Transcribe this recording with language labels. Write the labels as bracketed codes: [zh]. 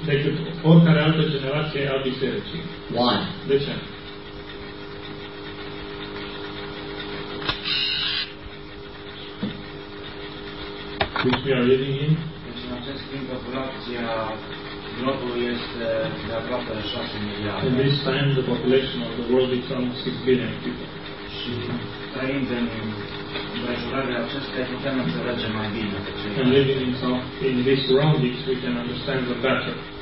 [ro] Decât oricare altă generație a bisericii. [en] Why? [ro] De ce? [en] Which we are living in. [ro] Deci în acest timp populația globului este de aproape 6 miliarde. [en] In this time the population of the world is some 6 billion people. [ro] Și trăind în împrejurările acestea putem înțelege mai bine. [en] And living in some, in these surroundings we can understand the better.